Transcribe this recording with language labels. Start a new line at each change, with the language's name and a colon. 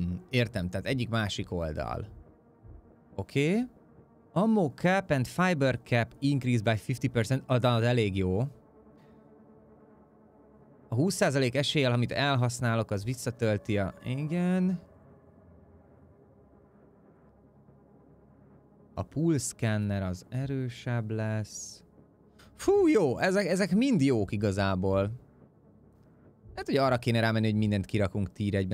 Hungarian: Értem, tehát egyik másik oldal. Oké. Okay.
English: Ammo cap and fiber cap increase by 50%.
Hungarian: Az elég jó. A 20% eséllyel, amit elhasználok, az visszatölti a... Igen. A pool scanner az erősebb lesz. Fú, jó! Ezek mind jók igazából. Hát, hogy arra kéne rámenni, hogy mindent kirakunk tier 1-be.